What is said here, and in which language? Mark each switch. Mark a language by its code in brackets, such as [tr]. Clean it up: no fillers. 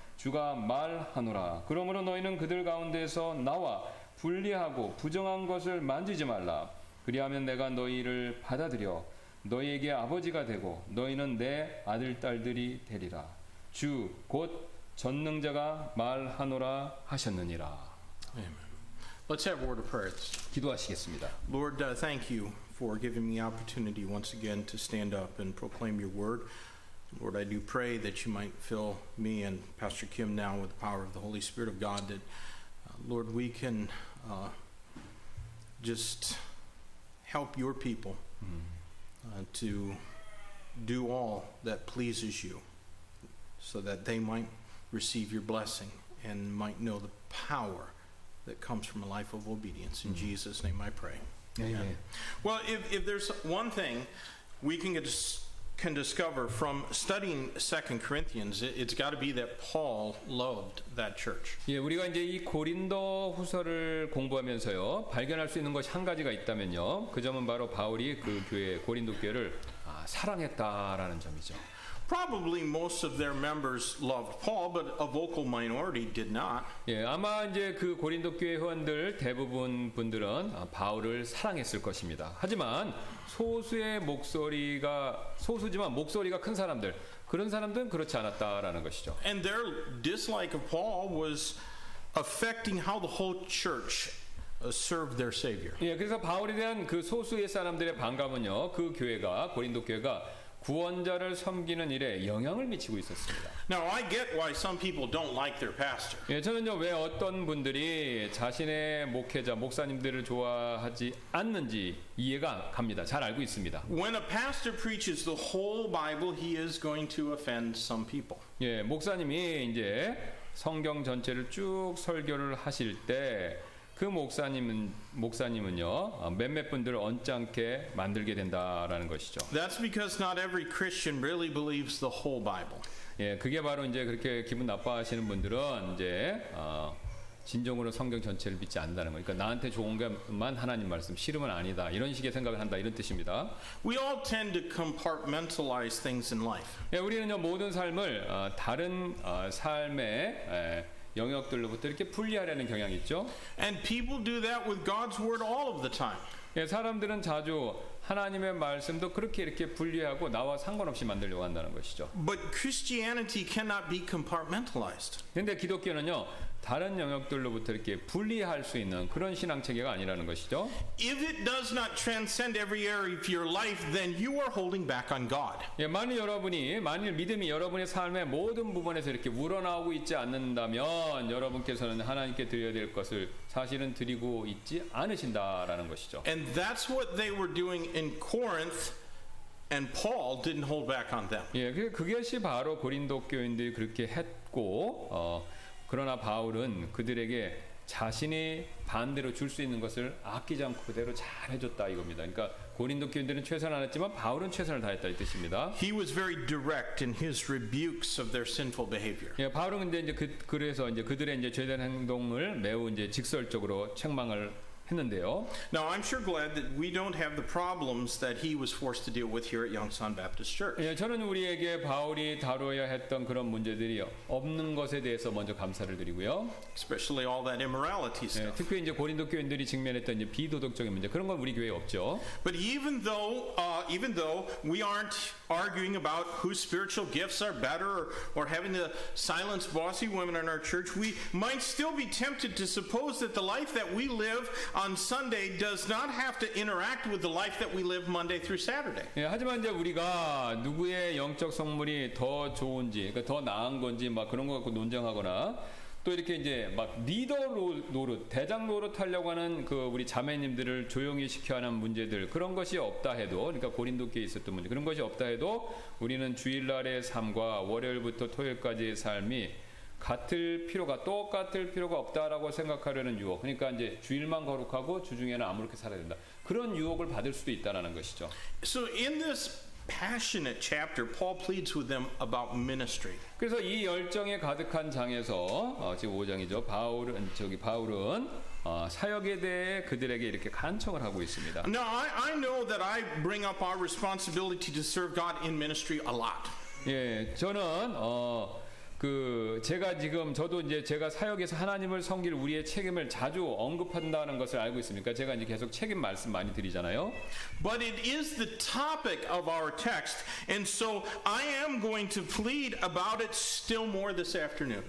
[ko] 주가 말하노라. 그러므로 너희는 그들 가운데서 나와 분리하고 부정한 것을 만지지 말라. 그리하면 내가 너희를 받아들여 너희에게 아버지가 되고 너희는 내 아들 딸들이 되리라. 주 곧 전능자가 말하노라 하셨느니라. [en] Amen. Let's have a word of prayer. [ko] 기도하시겠습니다. [en] Lord, thank you for giving me the opportunity once again to stand up and proclaim your word. Lord, I do pray that you might fill me and Pastor Kim now with the power of the Holy Spirit of God, that Lord, we can just help your people to do all that pleases you so that they might receive your blessing and might know the power that comes from a life of obedience. In Jesus' name I pray. Amen. Well, if there's one thing we can discover from studying 2 Corinthians, it's got to be that Paul loved that church. [ko] 예, 우리가 이제 이 고린도 후서를 공부하면서요, 발견할 수 있는 것이 한 가지가 있다면요, 그 점은 바로 바울이 그 교회, 고린도 교회를 사랑했다라는 점이죠. [en] Probably most of their members loved Paul, but a vocal minority did not. [ko] 예, 아마 이제 그 고린도 교회 회원들 대부분 분들은 바울을 사랑했을 것입니다. 하지만 소수지만 목소리가 큰 사람들, 그런 사람들은 그렇지 않았다라는 것이죠. [en] And their dislike of Paul was affecting how the whole church served their Savior. [ko] 예, 그래서 바울에 대한 그 소수의 사람들의 반감은요, 그 교회가 고린도 교회가 구원자를 섬기는 일에 영향을 미치고 있었습니다. [en] Now I get why some people don't like their pastor. [ko] 예, 저는요 왜 어떤 분들이 자신의 목회자 목사님들을 좋아하지 않는지 이해가 갑니다. 잘 알고 있습니다. [en] When a pastor preaches the whole Bible, he is going to offend some people. [ko] 예, 목사님이 이제 성경 전체를 쭉 설교를 하실 때 그 목사님은요 몇몇 분들을 언짢게 만들게 된다라는 것이죠. [en] That's because not every Christian really believes the whole Bible. [ko] 예, 그게 바로 이제 그렇게 기분 나빠하시는 분들은 이제 진정으로 성경 전체를 믿지 않는다는 거니까 그러니까 나한테 좋은 것만 하나님 말씀 싫으면 아니다 이런 식의 생각을 한다 이런 뜻입니다. [en] We all tend to compartmentalize things in life. [ko] 예, 우리는요 모든 삶을 다른 삶의 영역들로부터 이렇게 분리하려는 경향이 있죠. [en] And people do that with God's word all of the time. [ko] 예, 사람들은 자주 하나님의 말씀도 그렇게 이렇게 분리하고 나와 상관없이 만들려고 한다는 것이죠. [en] But Christianity cannot be compartmentalized. [ko] 근데 기독교는요, 다른 영역들로부터 이렇게 분리할 수 있는 그런 신앙 체계가 아니라는 것이죠. [en] If it does not transcend every area of your life, then you are holding back on God. [ko] 예, 만일 여러분이 만일 믿음이 여러분의 삶의 모든 부분에서 이렇게 우러나오고 있지 않는다면 여러분께서는 하나님께 드려야 될 것을 사실은 드리고 있지 않으신다라는 것이죠. [en] And that's what they were doing in Corinth and Paul didn't hold back on them. [ko] 예, 그것이 바로 고린도 교인들이 그렇게 했고 그러나 바울은 그들에게 자신이 반대로 줄 수 있는 것을 아끼지 않고 그대로 잘 해줬다 이겁니다. 그러니까 고린도 교인들은 최선을 다했지만 바울은 최선을 다했다 이 뜻입니다. [en] He was very direct in his rebukes of their sinful behavior. [ko] 예, 바울은 근데 이제 그래서 이제 그들의 이제 죄된 행동을 매우 이제 직설적으로 책망을 했는데요. [en] Now I'm sure glad that we don't have the problems that he was forced to deal with here at Yongsan Baptist Church. [ko] 예, 저는 우리에게 바울이 다뤄야 했던 그런 문제들이 없는 것에 대해서 먼저 감사를 드리고요. [en] Especially all that immorality stuff. [ko] 예, 특히 이제 고린도 교인들이 직면했던 이제 비도덕적인 문제 그런 건 우리 교회에 없죠. [en] But even though we aren't arguing about whose spiritual gifts are better or having to silence bossy women in our church, we might still be tempted to suppose that the life that we live on Sunday does not have to interact with the life that we live Monday through Saturday. [ko] 예, 하지만 이제 우리가 누구의 영적 성물이 더 좋은지, 그러니까 더 나은 건지 막 그런 거 갖고 논쟁하거나 또 이렇게 이제 막 리더 노릇, 대장 노릇 하려고 하는 그 우리 자매님들을 조용히 시켜야 하는 문제들 그런 것이 없다 해도 그러니까 고린도교에 있었던 문제 그런 것이 없다 해도 우리는 주일날의 삶과 월요일부터 토요일까지의 삶이 같을 필요가 똑같을 필요가 없다라고 생각하려는 유혹. 그러니까 이제 주일만 거룩하고 주중에는 아무렇게 살아야 된다. 그런 유혹을 받을 수도 있다라는 것이죠. [en] So in this passionate chapter, Paul pleads with them about ministry. [ko] 그래서 이 열정에 가득한 장에서 지금 5장이죠. 바울은 사역에 대해 그들에게 이렇게 간청을 하고 있습니다. [en] Now I know that I bring up our responsibility to serve God in ministry a lot. [ko] 예, 저는 그 제가 지금 저도 이제 제가 사역에서 하나님을 섬길 우리의 책임을 자주 언급한다는 것을 알고 있습니까? 제가 이제 계속 책임 말씀 많이 드리잖아요. [en] But it is the topic of our text, and so I am going to plead about it still more this afternoon.